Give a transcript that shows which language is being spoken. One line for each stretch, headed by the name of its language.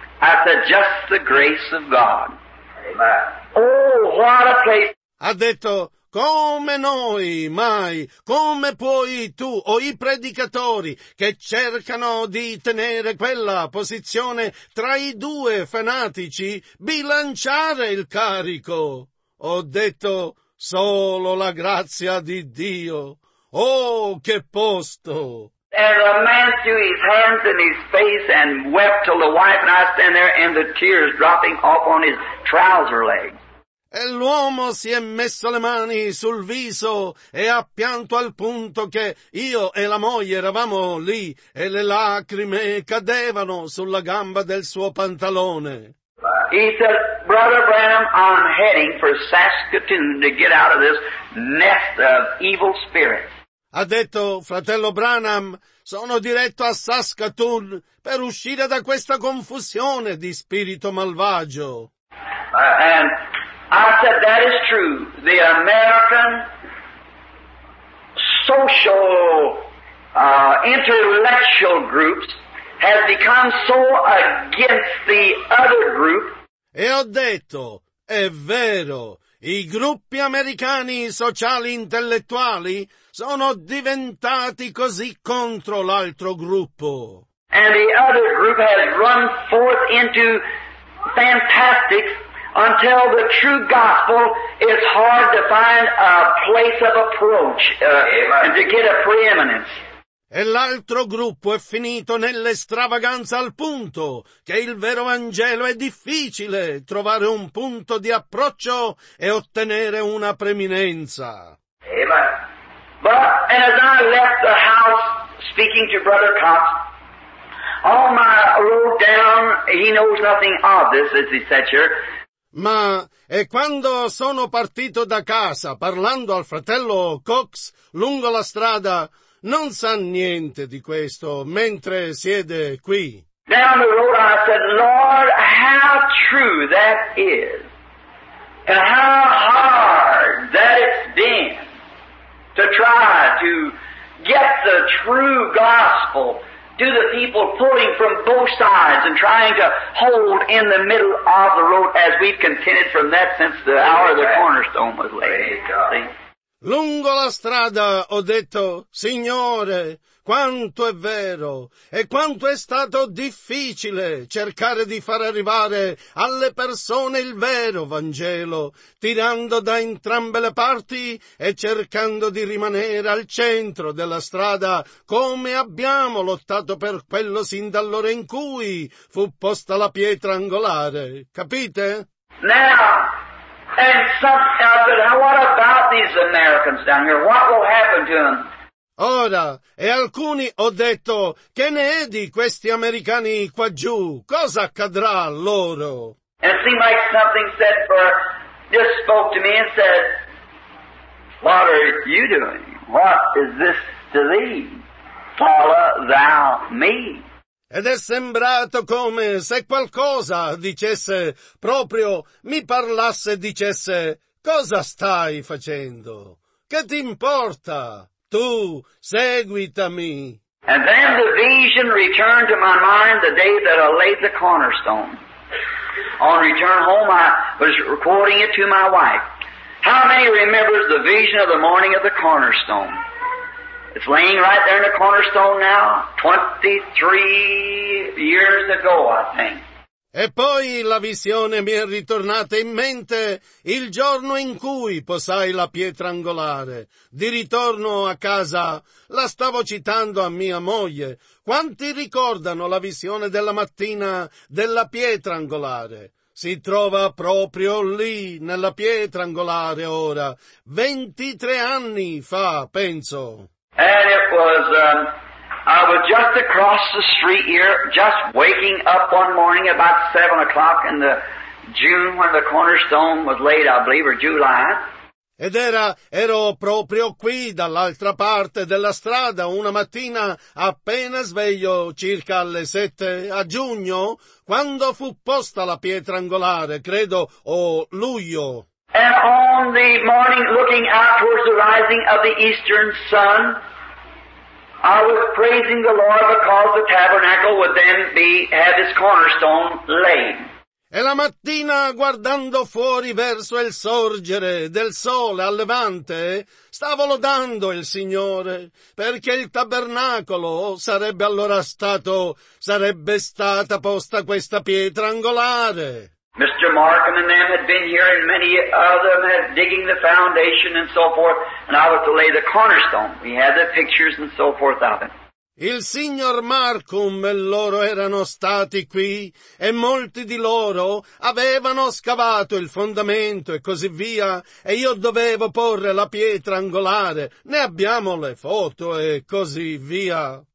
English: I said, just the grace of God. Oh, what a place.
Italian: Ha detto, come noi mai, come puoi tu o i predicatori che cercano di tenere quella posizione tra i due fanatici, bilanciare il carico? Ho detto, solo la grazia di Dio. Oh, che posto!
English: And a man threw his hands in his face and wept till the wife and I stand there and the tears dropping off on his trouser legs.
Italian: E l'uomo si è messo le mani sul viso e ha pianto al punto che io e la moglie eravamo lì e le lacrime cadevano sulla gamba del suo pantalone.
English: He said, Brother Branham, I'm heading for Saskatoon to get out of this nest of evil spirits.
Italian: Ha detto, fratello Branham, sono diretto a Saskatoon per uscire da questa confusione di spirito malvagio.
English: And I said, that is true. The American social, intellectual groups have become so against the other group.
Italian: E ho detto, è vero, i gruppi americani sociali intellettuali sono diventati così contro l'altro gruppo.
English: And the other group has run forth into fantastic until the true gospel is hard to find a place of approach and to get a preeminence.
Italian: E l'altro gruppo è finito nell'estravaganza al punto che il vero Vangelo è difficile trovare un punto di approccio e ottenere una preeminenza.
English: Amen. But as I left the house speaking to Brother Cox, on my road down, he knows nothing of this, as he said here.
Italian: Ma, e quando sono partito da casa parlando al fratello Cox lungo la strada, non sa niente di questo mentre siede qui.
English: Down the road I said, Lord, how true that is, and how hard that it's been to try to get the true gospel to the people pulling from both sides and trying to hold in the middle of the road as we've contended from that since the hour of the cornerstone was laid.
Italian: Lungo la strada ho detto, Signore, quanto è vero e quanto è stato difficile cercare di far arrivare alle persone il vero Vangelo, tirando da entrambe le parti e cercando di rimanere al centro della strada, come abbiamo lottato per quello sin dall'ora in cui fu posta la pietra angolare. Capite?
English: Now. And some, I said, what about these Americans down here? What will happen to them?
Italian: Ora, e alcuni ho detto, che ne è di questi americani qua giù? Cosa accadrà a loro?
English: And it seemed like something said for, just spoke to me and said, what are you doing? What is this to thee? Follow thou me.
Italian: Ed è sembrato come se qualcosa dicesse proprio, mi parlasse, dicesse, cosa stai facendo? Che ti importa? Tu, seguitami.
English: And then the vision returned to my mind the day that I laid the cornerstone. On return home, I was recording it to my wife. How many remembers the vision of the morning of the cornerstone? It's laying right there in the cornerstone now, 23 years ago, I think.
Italian: E poi la visione mi è ritornata in mente il giorno in cui posai la pietra angolare. Di ritorno a casa la stavo citando a mia moglie. Quanti ricordano la visione della mattina della pietra angolare? Si trova proprio lì, nella pietra angolare ora, 23 anni fa, penso.
English: And it was, I was just across the street here, just waking up one morning about 7 o'clock in the June when the cornerstone was laid, I believe, or July.
Italian: Ed ero proprio qui dall'altra parte della strada una mattina appena sveglio circa alle 7 a giugno, quando fu posta la pietra angolare, credo, o luglio.
English: And on the morning looking out towards the rising of the eastern sun, I was praising the Lord because the tabernacle would then be at its cornerstone laid.
Italian: E la mattina guardando fuori verso il sorgere del sole al levante, stavo lodando il Signore perché il tabernacolo sarebbe allora stato, sarebbe stata posta questa pietra angolare.
English: Mr. Markham and them had been here and many of them had digging the foundation and so forth, and I was to lay the cornerstone. We had the pictures and so forth of it.
Italian: Il signor Markham e loro erano stati qui, e molti di loro avevano scavato il fondamento e così via, e io dovevo porre la pietra angolare, ne abbiamo le foto e così via.